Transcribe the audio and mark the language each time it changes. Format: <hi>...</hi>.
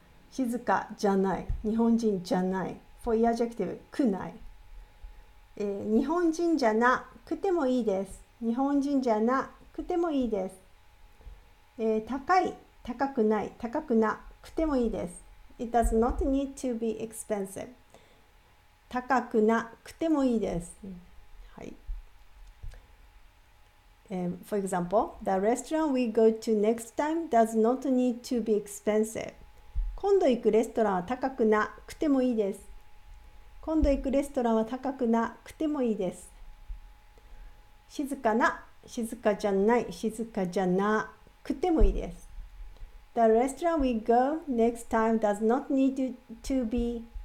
<ja>静かじゃない日本人じゃない For an adjective, くない、日本人じゃなくてもいいです日本人じゃなくてもいいです、高い高くない高くなくてもいいです It does not need to be expensive. 高くなくてもいいです。はい。</ja> <en>For example, the restaurant we go to next time does not need to be expensive.</en> <ja>今度行くレストランは高くなくてもいいです。今度行くレストランは高くなくてもいいです。静かな、静かじゃない、静かじゃなくてもいいです。</ja> <en>The restaurant we go next time does not need to be</en>